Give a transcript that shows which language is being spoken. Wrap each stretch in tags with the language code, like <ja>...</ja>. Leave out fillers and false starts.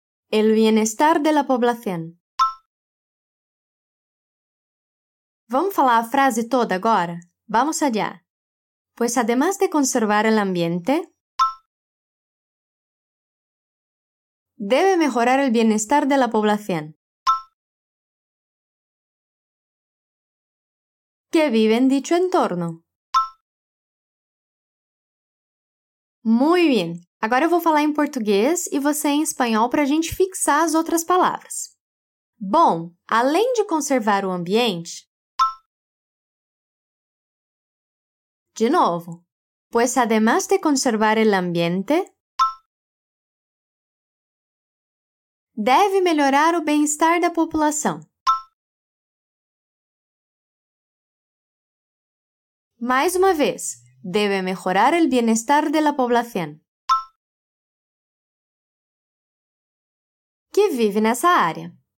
<es>El bienestar de la población.</es> <pt>Vamos falar a frase toda agora?</pt> <es>Vamos allá. Pues además de conservar el ambiente, debe mejorar el bienestar de la población que vive en dicho entorno. Muy bien.</es> <pt>Agora eu vou falar em português e você em espanhol para a gente fixar as outras palavras. Bom, além de conservar o ambiente... De novo.</pt> <es>Pues además de conservar el ambiente...</es> <pt>Deve melhorar o bem-estar da população. Mais uma vez, deve melhorar o bem-estar da população que vive nessa área.</pt>